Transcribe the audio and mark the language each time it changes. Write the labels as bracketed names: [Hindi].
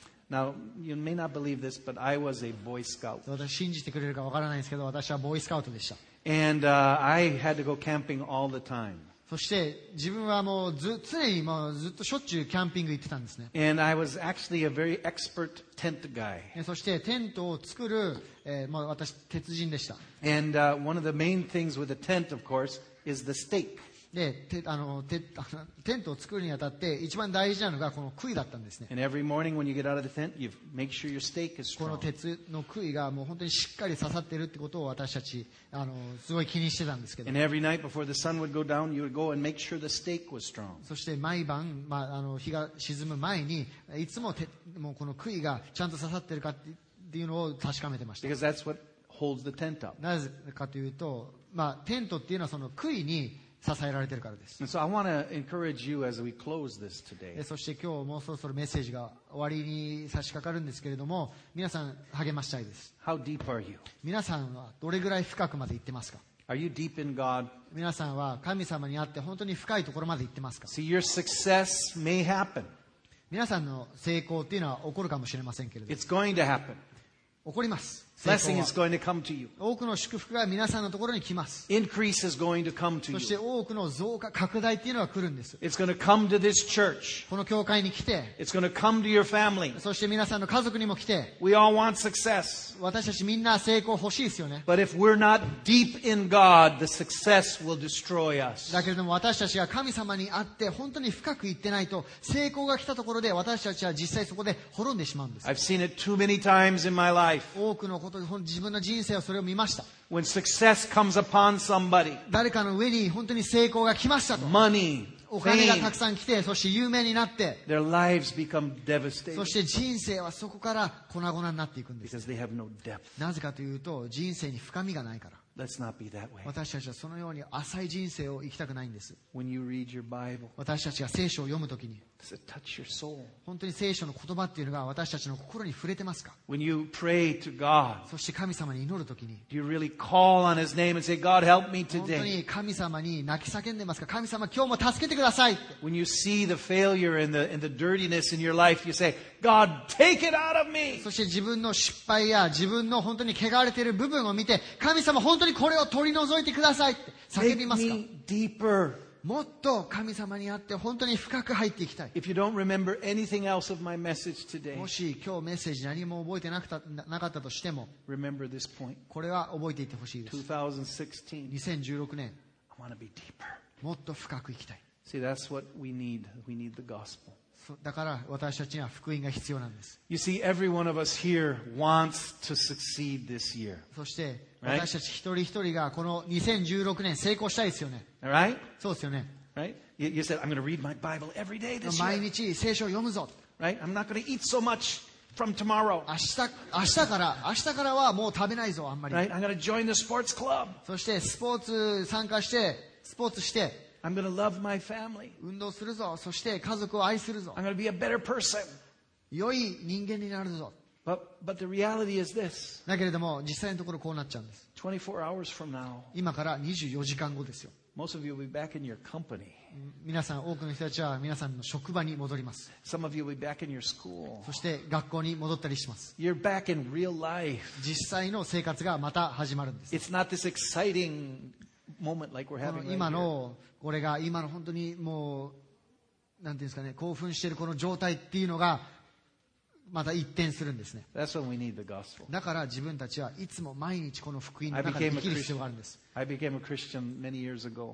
[English] Now, you may not believe this, but I was a Boy Scout. [Japanese] 私信じてくれるかわからないんですけど、私はボーイスカウトでした。 [English] And, I had to go camping all the time. [Japanese] そして自分はもうず常にもうずっとしょっちゅうキャンピング行ってたんですね。 [English] And I was actually a very expert tent guy. [Japanese] そしてテントを作る、もう私鉄人でした。 [English] And, one of the main things with a tent, of course, is the stake. [Japanese] でてあのてテントを作るにあたって一番大事なのがこの杭だったんですね。 [English] And every morning when you get out of the tent, you make sure your stake is strong. [Japanese] この鉄の杭がもう本当にしっかり刺さっているってことを私たちあのすごい気にしてたんですけど。 [English] And every night before the sun would go down, you would go and make sure the stake was strong. [Japanese] そして毎晩、まあ、あの日が沈む前にいつ もうこの杭がちゃんと刺さっているかっていうのを確かめてました。 [English] Because that's what holds the tent up. [Japanese] なぜかというと、まあ、テントっていうのはその杭に支えられてるからです。 [English] And so I want to encourage you as we close this today. [Japanese] そして今日もうそろそろメッセージが終わりに差し掛かるんですけれども、皆さん励ましたいです。 [English] How deep are you? [Japanese] 皆さんはどれぐらい深くまで行ってますか？ [English] Are you deep in God? [Japanese] 皆さんは神様にあって本当に深いところまで行ってますか？ [English] See, your success may happen. [Japanese] 皆さんの成功っていうのは起こるかもしれませんけれども。 [English] It's going to happen. [Japanese] 起こります。 [English] Blessing is going to come to you. [Japanese] 多くの祝福が皆さんのところに来ます。 [English] Increase is going to come to you. [Japanese] そして多くの増加、拡大っていうのが来るんです。 [English] It's going to come to this church. [Japanese] この教会に来て。 [English] It's going to come to your family. [Japanese] そして皆さんの家族にも来て。 [English] We all want success. [Japanese] 私たちみんな成功欲しいですよね。 [English] But if we're not deep in God, the success will destroy us. [Japanese] だけれども私たちが神様にあって本当に深く行ってないと成功が来たところで私たちは実際そこで滅んでしまうんです。 [English] I've seen it too many times in my life. [Japanese] 多くの自分の人生はそれを見ました。 [English] When success comes upon somebody, [Japanese] 誰かの上に本当に成功が来ましたと。 [English] Money, [Japanese] お金がたくさん来て、そして有名になって、 [English] their lives become devastated. [Japanese] そして人生はそこから粉々になっていくんです。 [English] Because they have no depth. [Japanese] なぜかというと、人生に深みがないから。 [English] Let's not be that way. [Japanese] 私たちはそのように浅い人生を生きたくないんです。 [English] When you read your Bible, [Japanese] 私たちが聖書を読むときに、 [English] Does it touch your soul? [Japanese] 本当に聖書の言葉っていうのが私たちの心に触れてますか？ [English] When you pray to God, [Japanese] そして神様に祈るときに、 [English] Do you really call on His name and say, God, help me today? [Japanese] 本当に神様に泣き叫んでますか？神様、今日も助けてくださいって。 [English] When you see the failure and the dirtiness in your life, you say, God, take it out of me! [Japanese] そして自分の失敗や自分の本当に汚れている部分を見て、神様、本当にこれを取り除いてくださいって叫びますか？ [English] Take me deeper. [Japanese] もっと神様に会って本当に深く入っていきたい。 [English] If you don't remember anything else of my message today, [Japanese] もし今日メッセージ何も覚えてなかったとしても、 [English] remember this point. [Japanese] これは覚えていてほしいです。 2016年、 [English] I want to be deeper. [Japanese] もっと深くいきたい。 [English] See, that's what we need. We need the gospel. [Japanese] だから私たちには福音が必要なんです。 [English] You see, every one of us here wants to succeed this year. [Japanese] そして [English] Right? [Japanese] 私たち一人一人がこの2016年成功したいですよね。 [English] Right? [Japanese] そうですよね。 [English] Right? You said, I'm going to read my Bible every day this year. [Japanese] 毎日聖書を読むぞ。 [English] Right? I'm not going to eat so much from tomorrow. [Japanese] 明日からはもう食べないぞ、あんまり。 [English] Right? I'm going to join the sports club. [Japanese] そしてスポーツ参加して、スポーツして、 [English] I'm going to love my family. [Japanese] 運動するぞ。そして家族を愛するぞ。 [English] I'm going to be a better person. [Japanese] 良い人間になるぞ。 [English] But the reality is this. [Japanese] だけれども実際のところこうなっちゃうんです。 [English] 24 hours from now. [Japanese] 今から24時間後ですよ。 [English] Most of you will be back in your company. [Japanese] 皆さん多くの人たちは皆さんの職場に戻ります。 [English] Some of you will be back in your school. [Japanese] そして学校に戻ったりします。 [English] You're back in real life. [Japanese] 実際の生活がまた始まるんです。 [English] It's not this exciting moment like we're having right here. [Japanese] 今のこれが今の本当にもうなんていうんですかね、興奮しているこの状態っていうのが。また一転するんですね。 [English] That's when we need the gospel. [Japanese] だから自分たちはいつも毎日この福音の中で生きる必要があるんです。 [English] I became a Christian many years ago.